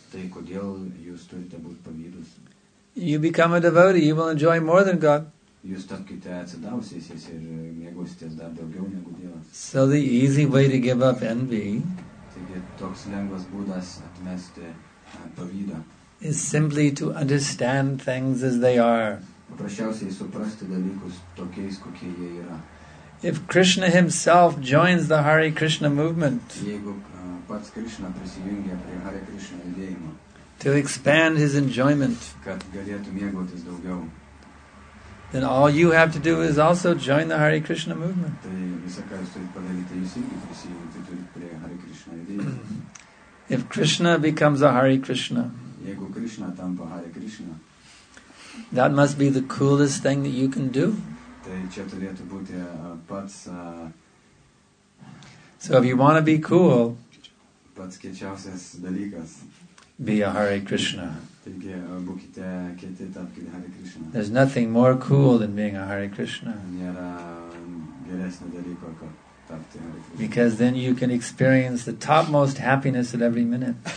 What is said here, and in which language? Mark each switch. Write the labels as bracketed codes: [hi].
[lt] Tai kodėl jūs turite būti pavydus? [en] You become a devotee, you will enjoy more than God. [lt] Jūs tapkite atsidavusiais ir mėgausitės dar daugiau negu Dievas. [en] So the easy way to give up envy, [lt] taigi toks lengvas būdas atmesti pavydą, [en] is simply to understand things as they are. [lt] Paprasčiausiai suprasti dalykus tokiais, kokie jie yra. [en] If Krishna himself joins the Hare Krishna movement, [lt] jeigu pats Krishna prisijungia prie Hare Krishna judėjimo, [en] to expand his enjoyment, [lt] kad galėtų mėgautis daugiau, [en] then all you have to do is also join the Hare Krishna movement. [lt] Tai visą ką jūs turite padaryti, jūs irgi prisijungti turite prie Hare Krishna judėjimo. [en] If Krishna becomes a Hare Krishna, [lt] jeigu Krishna tampa Hare Krishna, [en] that must be the coolest thing that you can do. [lt] Tai čia turėtų būti pats. [en] So if you want to be cool, [lt] pats kiečiausias dalykas, [en] be a Hare Krishna. [lt] Taigi, būkite kieti, tapkite Hare Krishna. [en] There's nothing more cool than being a Hare Krishna. [lt] Nėra geresnio dalyko, kad [en] because then you can experience the topmost happiness at every minute.